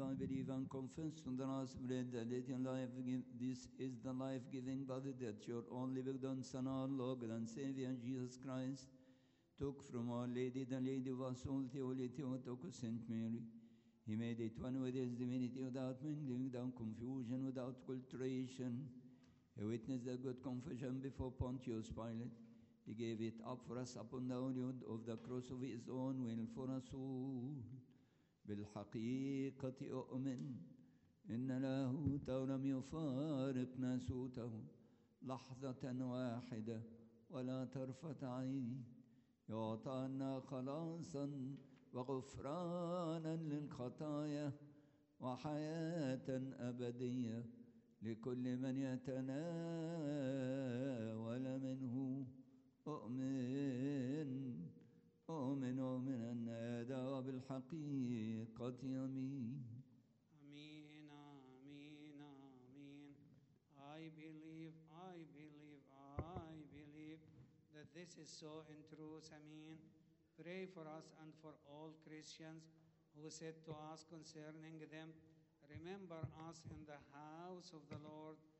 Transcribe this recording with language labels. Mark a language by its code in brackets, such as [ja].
[en] I believe and confess to the last bread that it in life this is the life giving body that your only begotten Son, our Lord and Savior, Jesus Christ, took from Our Lady, the Lady of Assault, Holy Theotokos, St. Mary. He made it one with his divinity without mingling, without confusion, without alteration. He witnessed the good confession before Pontius Pilate. He gave it up for us upon the holy wood of the cross of his own will for us all. [ar] بالحقيقة أؤمن إن له تولم يفارق ناسوته لحظة واحدة ولا طرفة عين يعطانا خلاصا وغفرانا للخطايا وحياة أبدية لكل من يتناول منه أؤمن أؤمن أؤمن أن هذا بالحقيقة أمين. أمين أمين أمين. [en] I believe that this is so in truth. Amin. Pray for us and for all Christians who said to us concerning them, remember us in the house of the Lord.